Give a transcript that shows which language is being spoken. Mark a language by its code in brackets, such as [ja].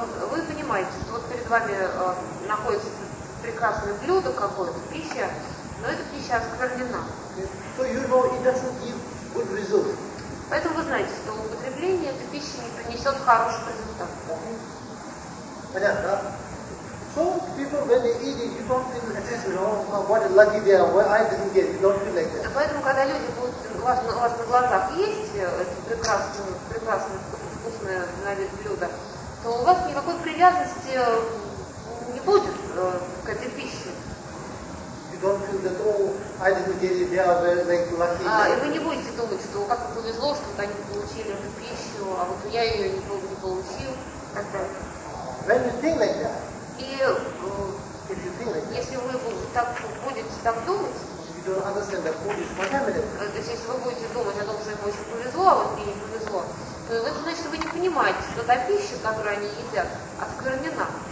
[ru] Вы понимаете, что вот перед вами находится прекрасное блюдо какое-то, пища, но эта пища осквернена. [en] So you know it doesn't give good result. [ru] Поэтому вы знаете, что употребление этой пищи не принесет хороших результатов. Понятно, да? [en] So people when they eat it, you don't feel attention, you know, what a lucky they are, well, I didn't get it, you don't feel like that. [ru] Поэтому, когда люди будут у вас на глазах есть это прекрасное, вкусное на вид блюдо, то у вас никакой привязанности не будет к этой пище. [en] You don't feel that, oh, I didn't get it, they are very, like, lucky. [ru] И вы не будете думать, что как повезло, что они получили эту пищу, а вот я ее не получил, так далее. [en] When you think like that. [ru] И если вы так будете так думать, то есть если вы будете думать о том, что им очень повезло, а вот мне не повезло, то это значит, вы не понимаете, что та пища, которую они едят, осквернена.